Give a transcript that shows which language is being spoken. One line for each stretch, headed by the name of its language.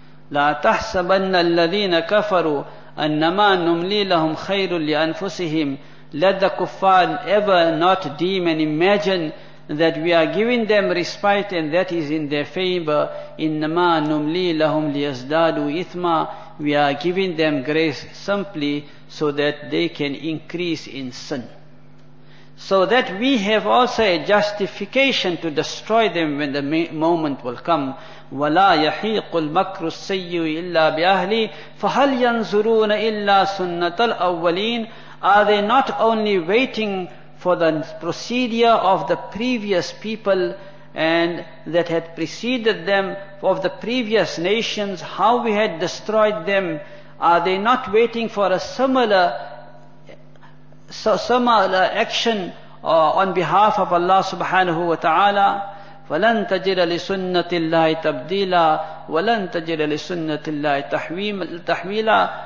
Arabic: لا تحسبن الذين كفروا أنما نملي لهم خير لأنفسهم.
English: Let the kuffar ever not deem and imagine that we are giving them respite and that is in their favor.
Arabic: إنما نملي لهم ليزدادوا إثما.
English: We are giving them grace simply so that they can increase in sin. So that we have also a justification to destroy them when the moment will come.
Arabic: وَلَا يَحِيقُ الْمَكْرُ السَّيِّ إِلَّا بِأَهْلِي فَهَلْ يَنْزُرُونَ إِلَّا سُنَّةَ الْأَوَّلِينَ.
English: Are they not only waiting for the procedure of the previous people and that had preceded them, of the previous nations, how we had destroyed them? Are they not waiting for a similar action on behalf of Allah subhanahu wa ta'ala?
Arabic: فلن تجد لسنة الله تبديلا ولن تجد لسنة الله تحويلا.